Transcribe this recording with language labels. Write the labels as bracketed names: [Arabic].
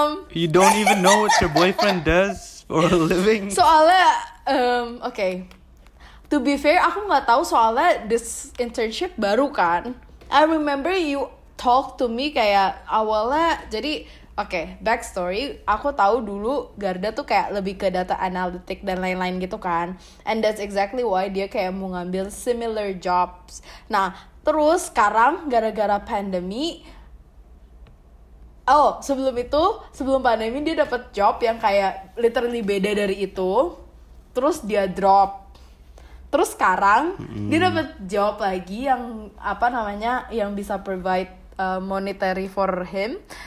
[English] You don't even know what your boyfriend does for a living. [Indonesian] Soalnya, okay. [English] To be fair, [Indonesian] aku nggak tahu soalnya [English] this internship [Indonesian] baru kan. [English] I remember you talk to me [Indonesian] kayak awalnya jadi. Okay, backstory. Aku tahu dulu Garda tuh kayak lebih ke data analytic dan lain-lain gitu kan. [English] And that's exactly why [Indonesian] dia kayak mau ngambil [English] similar jobs. [Indonesian] Nah, terus sekarang gara-gara pandemi. Oh, sebelum pandemi dia dapat job yang kayak literally beda dari itu. Terus dia drop. Terus sekarang dia dapat job lagi yang apa namanya yang bisa [English] provide monetary for him.